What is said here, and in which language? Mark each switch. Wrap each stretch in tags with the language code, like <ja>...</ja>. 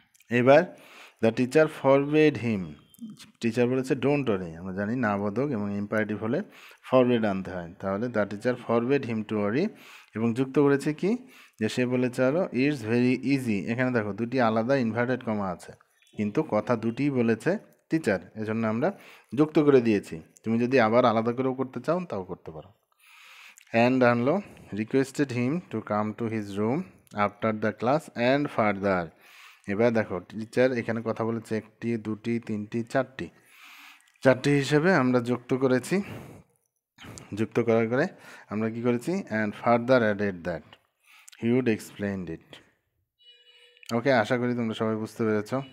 <bn>এবার</bn> <en>the teacher forbade him,</en> <bn>teacher বলেছে</bn> <en>don't worry,</en> <bn>আমরা জানি না বোধক এবং ইম্পারেটিভ হলে ফরবেড আনতে হয়, তাহলে</bn> <en>the teacher forbade him to worry,</en> <bn>এবং যুক্ত করেছে কি, যে সে বলেছে আরো</bn> <en>It's very easy.</en> <bn>এখানে দেখো দুটি আলাদা ইনভার্টেড কমা আছে, কিন্তু কথা দুটিই বলেছে টিচার, এজন্য আমরা যুক্ত করে দিয়েছি, তুমি যদি আবার আলাদা করেও করতে চাও তাও করতে পারো।</bn> <en>And Anlo requested him to come to his room after the class and further.</en> <bn>এবার দেখো টিচার এখানে কথা বলেছে একটি দুটি তিনটি চারটি চারটি হিসেবে আমরা যুক্ত করেছি যুক্ত করার পরে আমরা কি করেছি</bn> <en>and further added that he would explain it okay</en> <bn>আশা করি তোমরা সবাই বুঝতে পেরেছ</bn>